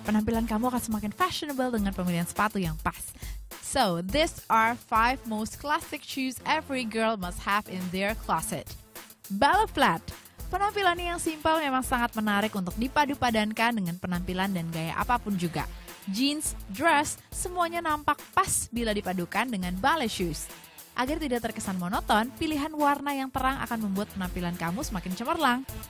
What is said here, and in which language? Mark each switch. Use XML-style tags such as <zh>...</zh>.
<id>Penampilan kamu akan semakin fashionable dengan pemilihan sepatu yang pas.</id> <en>So, these are 5 most classic shoes every girl must have in their closet. Ballet flat.</en> <id>Penampilannya yang simpel memang sangat menarik untuk dipadupadankan dengan penampilan dan gaya apapun juga. Jeans, dress, semuanya nampak pas bila dipadukan dengan ballet shoes. Agar tidak terkesan monoton, pilihan warna yang terang akan membuat penampilan kamu semakin cemerlang.</id>